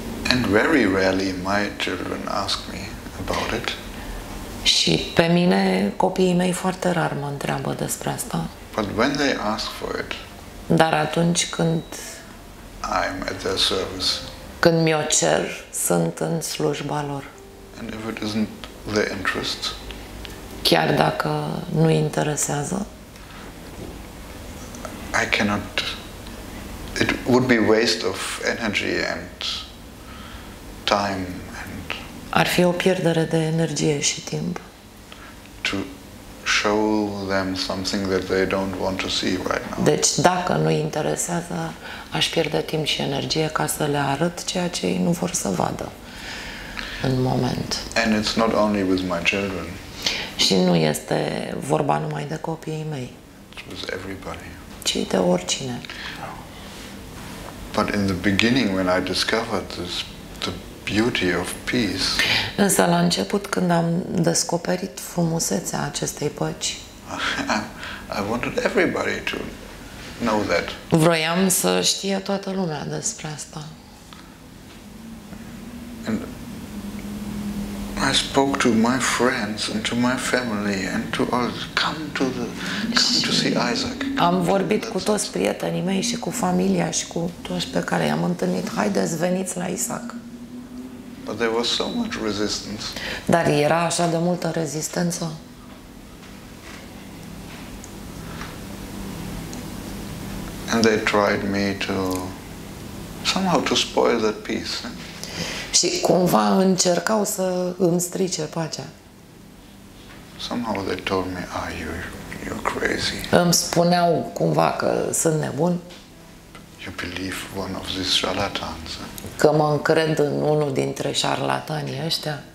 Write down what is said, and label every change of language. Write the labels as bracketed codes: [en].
[en] And very rarely my children ask me about it. [ro] Și pe mine copiii mei foarte rar mă întreabă despre asta. [en] But when they ask for it. [ro] Dar atunci când [en] I'm at their service. [ro] Când mi-o cer, sunt în slujba lor. [en] And if it isn't their interest. [ro] Chiar dacă nu interesează. [en] I cannot. It would be waste of energy and time. [ro] Ar fi o pierdere de energie și timp. [en] To show them something that they don't want to see right now. [ro] Deci dacă nu-i interesează, aș pierde timp și energie ca să le arăt ceea ce ei nu vor să vadă în moment. [en] And it's not only with my children. [ro] Și nu este vorba numai de copiii mei. [en] It's with everybody. [ro] Ci de oricine. [en] But in the beginning when I discovered this beauty of peace. [ro] Însă la început când am descoperit frumusețea acestei păci. [en] I wanted everybody to know that. [ro] Vroiam să știe toată lumea despre asta. [en] And I spoke to my friends and to my family and to all come to see Isaac. [ro] Am vorbit cu toți prietenii mei și cu familia și cu toți pe care i-am întâlnit. Haideți, veniți la Isaac. [en] But there was so much resistance. [ro] Dar era așa de multă rezistență. [en] And they tried me to somehow to spoil that peace. [ro] Și cumva încercau să îmi strice pacea. [en] Somehow they told me, "Ah, you're crazy." [ro] Îmi spuneau cumva că sunt nebun. [en] You believe one of these charlatans. [ro] Că mă încred în unul dintre șarlatanii ăștia.